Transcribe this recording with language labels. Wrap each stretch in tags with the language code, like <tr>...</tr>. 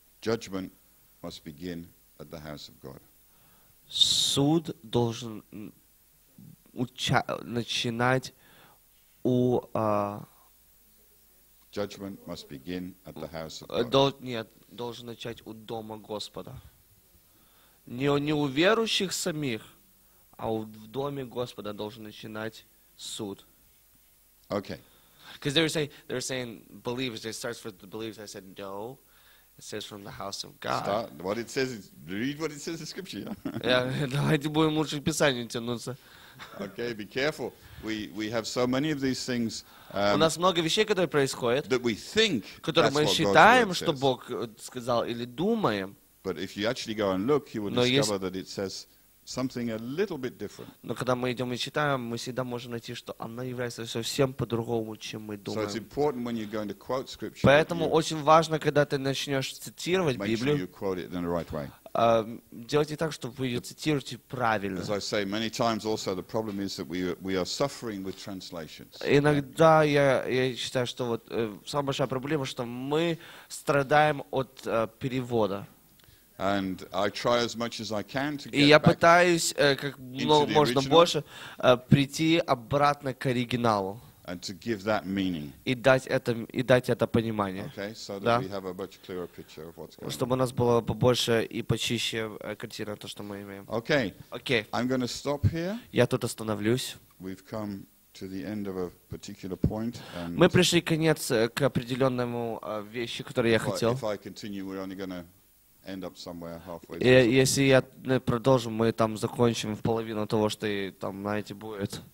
<en>Judgment must begin at the house of God.</en> <ru>Суд должен начинать у...</ru> <en>Judgment must begin at the house of God.</en> <ru>Нет, должен начать у дома Господа. Не у верующих самих, а в доме Господа должен начинать суд.</ru> <en>Okay. Because they were saying believers, it starts with the believers. I said no. It says from the house of God. Read what it says in scripture.</en> <ru>Давайте будем лучше к Писанию тянуться.</ru> <en>Okay, be careful. We have so many of these things.</en> <ru>У нас много вещей, которые происходят.</ru> <en>That we think.</en> <ru>Которые мы считаем, что Бог сказал, или думаем.</ru> <en>But if you actually go and look, you will discover that it says something a little bit different.</en> <ru>Но когда мы идем и читаем, мы всегда можем найти, что она является совсем по-другому, чем мы думаем.</ru> <en>So it's important when you're going to quote scripture.</en> <ru>Поэтому очень важно, когда ты начнешь цитировать Библию.</ru> <en>Make sure you quote it in the right way.</en> <ru>Делайте так, чтобы вы ее цитируете правильно.</ru> <en>As I say, many times also the problem is that we are suffering with translations.</en> <ru>Иногда я считаю, что вот самая большая проблема, что мы страдаем от перевода.</ru> <en>And I try as much as I can to get</en> <ru>и я пытаюсь как можно больше прийти обратно к оригиналу.</ru> <en>And to give that meaning.</en> <ru>И дать это понимание.</ru> <en>Okay, so that we have a much clearer picture of what's going on.</en> <ru>Чтобы у нас было побольше и почище картина то, что мы имеем.</ru> <en>Okay. Okay. I'm going to stop here.</en> <ru>Я тут остановлюсь.</ru> <en>We've come to the end of a particular point. And</en> <ru>мы пришли конец к определенному вещи, которую я хотел.</ru> <en>If I continue, we're only going to end up somewhere halfway.</en> <ru>И если я продолжу, мы там закончим в половину того, что и там, знаете, будет.</ru>